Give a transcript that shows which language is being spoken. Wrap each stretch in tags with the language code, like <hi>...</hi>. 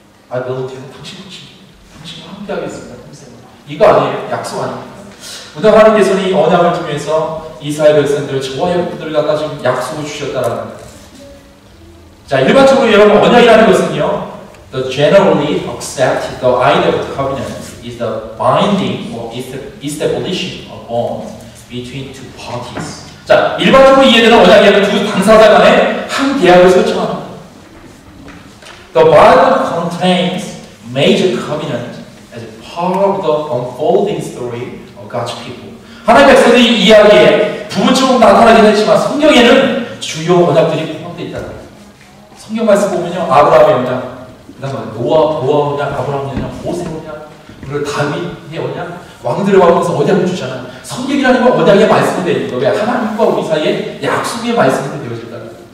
<en>I belong to you.</en> <ko>당신과 함께 하겠습니다. 평생을. 이거 아니에요. 약속 아닙니다. 그다음 하나님께서는 이 언약을 통해서 이스라엘 백성들을 저와 여러분들을 갖다 지금 약속을 주셨다라는 겁니다. 자, 일반적으로 여러분 언약이라는 것은요.</ko> <en>The generally accepted, the idea of the covenant is the binding or establishing of bond between two parties.</en> <ko>자, 일반적으로 이해되는 언약이라는 두 당사자 간의 한 계약을 설정합니다.</ko> <en>The Bible contains major covenant as part of the unfolding story of God's people.</en> <ko>하나님의 백성들이 이야기에 부분적으로 나타나긴 했지만 성경에는 주요 언약들이 포함되어 있다고 합니다. 성경 말씀 보면요. 아브라함의 언약, 그 다음에 노아 언약, 아브라함의 언약, 모세 언약, 그리고 다윗의 언약, 왕들의 왕에서 언약을 주잖아요. 성경이라는 건 언약의 말씀이 되어 있는 거예요. 하나님과 우리 사이에 약속의 말씀이 되어진다고.</ko>